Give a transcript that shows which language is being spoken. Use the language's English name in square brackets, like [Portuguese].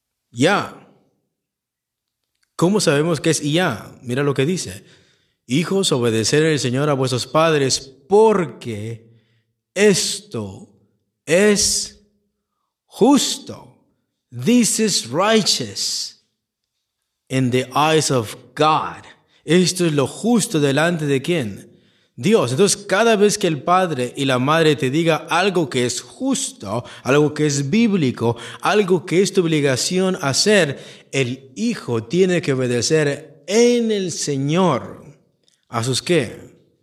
[Spanish] Ya. ¿Cómo sabemos que es ya? Mira lo que dice. Hijos, obedecer al Señor a vuestros padres porque esto es justo. [English] This is righteous in the eyes of God. [Spanish] Esto es lo justo delante de ¿quién? Dios. Entonces, cada vez que el padre y la madre te diga algo que es justo, algo que es bíblico, algo que es tu obligación hacer, el hijo tiene que obedecer en el Señor. ¿A sus qué?